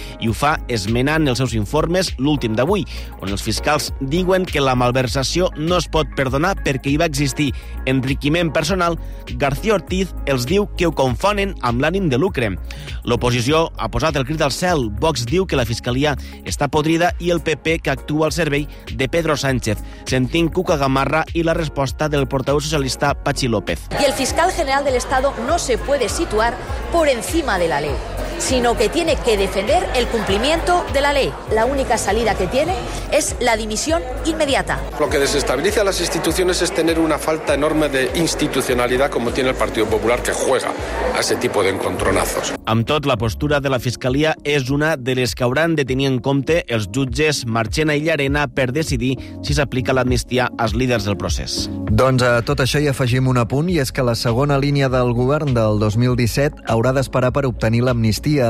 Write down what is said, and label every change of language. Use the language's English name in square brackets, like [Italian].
[Catalan] I ho fa esmenant els seus informes, l'últim d'avui, on els fiscals diuen que la malversació no es pot perdonar perquè hi va existir enriquiment personal. García Ortiz els diu que ho confonen amb l'ànim de lucre. L'oposició ha posat el crit al cel. Vox diu que la fiscalia està podrida i el PP que actua al servei de Pedro Sánchez. Sentim Cuca Gamarra i la resposta del portaveu socialista Patxi López. [Spanish] Y el fiscal general del Estado no se puede situar por encima de la ley, sino que tiene que defender el cumplimiento de la ley. La única salida que tiene es la dimisión inmediata. Lo que desestabiliza a las instituciones es tener una falta enorme de institucionalidad como tiene el Partido Popular, que juega a ese tipo de encontronazos. [Catalan] Amb tot, la postura de la fiscalia és una de les que hauran de tenir en compte els jutges Marchena i Llarena per decidir si s'aplica l'amnistia als líders del procés. Doncs a tot això hi afegim un apunt, i és que la segona línia del govern del 2017 haurà d'esperar per obtenir l'amnistia.